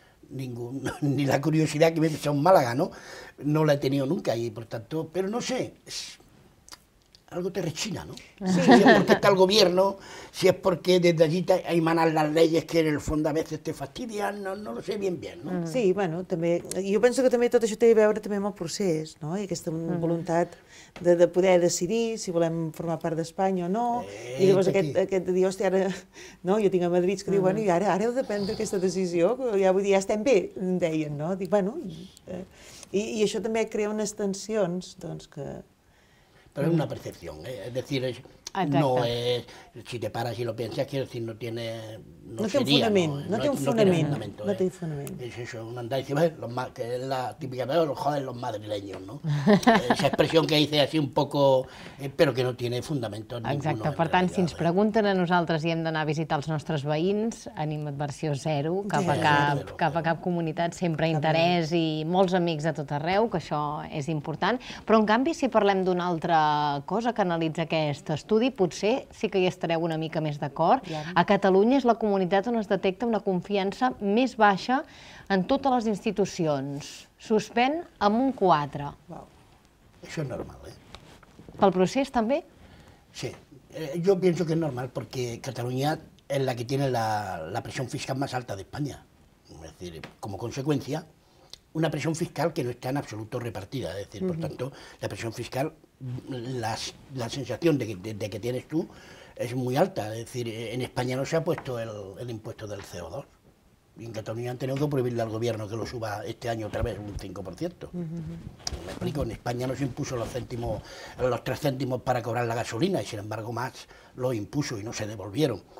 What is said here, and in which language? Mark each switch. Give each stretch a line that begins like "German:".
Spanish: ni la curiosidad que me he hecho en Málaga, ¿no? No la he tenido nunca y, por tanto, pero no sé, algo te rechina, ¿no? Si es porque está el gobierno, si es porque desde allí emanan las leyes que en el fondo a veces te fastidian, no lo sé bien, ¿no?
Catalan: Sí, bueno, també, jo penso que també tot això té a veure també amb el procés, no? I aquesta voluntat de poder decidir si volem formar part d'Espanya o no, i llavors aquest de dir, hòstia, ara, no? Jo tinc a Madrid que diu, bueno, i ara heu de prendre aquesta decisió, ja vull dir, ja estem bé, deien, no? Dic, bueno, i això també crea unes tensions, doncs, que...
Spanish: Pero es una percepción, es decir,
Catalan: Exacte. No és,
Spanish: si te paras y lo piensas, quiero decir, no tiene... No tiene un fundamento. Es eso, un andar, que es la típica, los jóvenes, los madrileños, ¿no? Esa expresión que dice así un poco, pero que no tiene fundamento ninguno.
Catalan: Exacte, per tant, si ens pregunten a nosaltres i hem d'anar a visitar els nostres veïns, animadversió zero, cap a cap comunitat, sempre interès i molts amics de tot arreu, que això és important. Però, en canvi, si parlem d'una altra cosa que analitza aquest estudi, potser sí que hi estareu una mica més d'acord. A Catalunya és la comunitat on es detecta una confiança més baixa en totes les institucions. Suspèn amb un 4. Wow. Això és normal, eh? Pel procés, també? Sí. Jo penso que és normal, perquè Catalunya és la que té la pressió fiscal més alta d'Espanya. És a dir, com a conseqüència, una pressió fiscal que no està en absolut repartida. És a dir, per tant, la pressió fiscal, la sensació de que tens tu,
Spanish: es muy alta. Es decir, en España no se ha puesto el impuesto del CO2. Y en Cataluña han tenido que prohibirle al gobierno que lo suba este año otra vez un 5%. Me explico, en España no se impuso los 3 céntimos para cobrar la gasolina, y sin embargo más lo impuso y no se devolvieron.